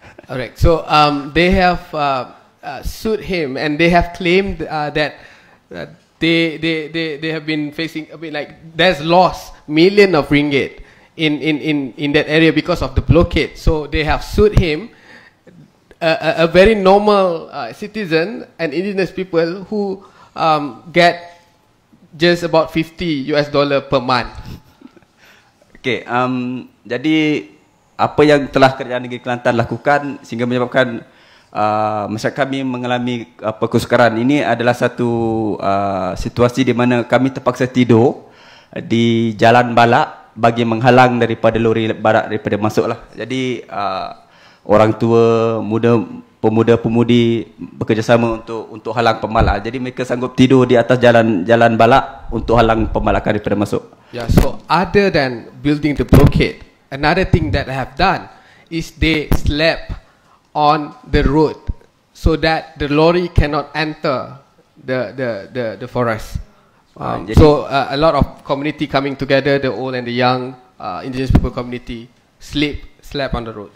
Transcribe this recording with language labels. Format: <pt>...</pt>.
<en>Alright, so they have sued him and they have claimed that they have been facing a bit like there's lost million of ringgit in that area because of the blockade. So they have sued him. A very normal citizen and indigenous people who get just about $50 per month.</en> <ms>Okay, jadi apa yang telah Kerajaan Negeri Kelantan lakukan sehingga menyebabkan masyarakat kami mengalami kesukaran ini adalah satu situasi di mana kami terpaksa tidur di jalan balak bagi menghalang daripada lori balak daripada masuklah. Jadi orang tua, muda, pemuda-pemudi bekerjasama untuk halang pemalak. Jadi mereka sanggup tidur di atas jalan balak untuk halang pemalakan daripada masuk.</ms> <en>Yeah, so other than building the blockade, another thing that I have done is they slept on the road so that the lorry cannot enter the forest. A lot of community coming together, the old and the young indigenous people community slept on the road.</en>